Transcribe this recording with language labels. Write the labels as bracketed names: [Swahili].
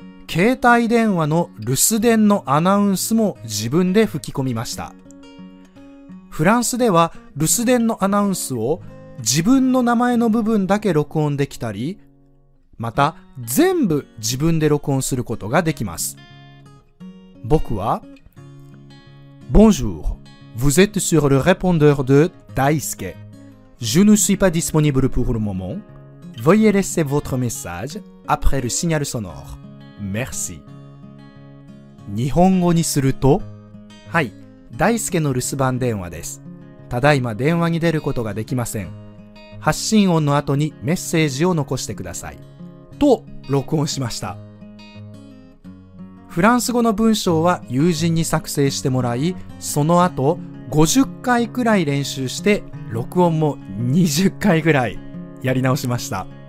[Japanese] 携帯電話の留守電のアナウンスも自分で吹き込みました。フランスでは留守電のアナウンスを自分の名前の部分だけ録音できたり、また全部自分で録音することができます。僕は、 [French] Bonjour, vous êtes sur le répondeur de Daisuke. Je ne suis pas disponible pour le moment. Veuillez laisser votre message après le signal sonore. Merci. [Japanese] 日本語にすると、はい、大輔の留守番電話です。ただいま電話に出ることができません。発信音の後にメッセージを残してください。と録音しました。フランス語の文章は友人に作成してもらい、その後50回くらい練習して、録音も20回くらいやり直しました。